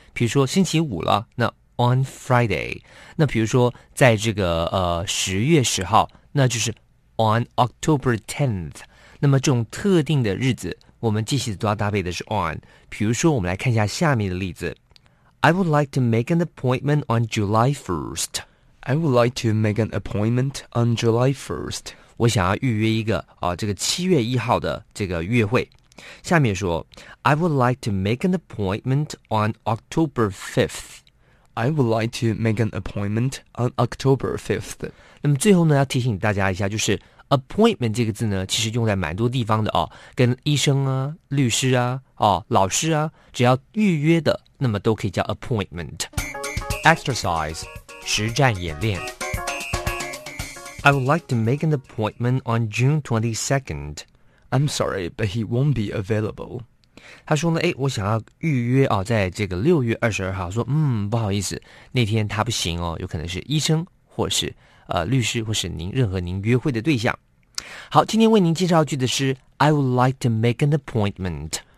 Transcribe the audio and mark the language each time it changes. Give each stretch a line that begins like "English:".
Chinese: 比如说星期五了，那
English: On Friday，
Chinese: 那比如说在这个10月10号，那就是
English: On October 10th。
Chinese: 那么这种特定的日子，我们继续都要搭配的是 on。比如说我们来看一下下面的例子。
English: I would like to make an appointment on July 1st. I would like to make an appointment on July 1st.
Chinese: 我想要预约一个这个7月1号的这个约会。下面说
English: I would like to make an appointment on October 5th. I would like to make an appointment on October 5th.
Chinese: 那么最后呢，要提醒大家一下，就是 appointment 这个字呢，其实用在蛮多地方的哦，跟医生啊、律师啊、老师啊，只要预约的，那么都可以叫 appointment. Exercise 实战演练。
English: I would like to make an appointment on June 22nd. I'm sorry, but he won't be available.
Chinese: 他说呢，哎，我想要预约在这个6月22号，说不好意思，那天他不行哦，有可能是医生或是律师或是您任何您约会的对象。好，今天为您介绍句的是
English: I would like to make an appointment.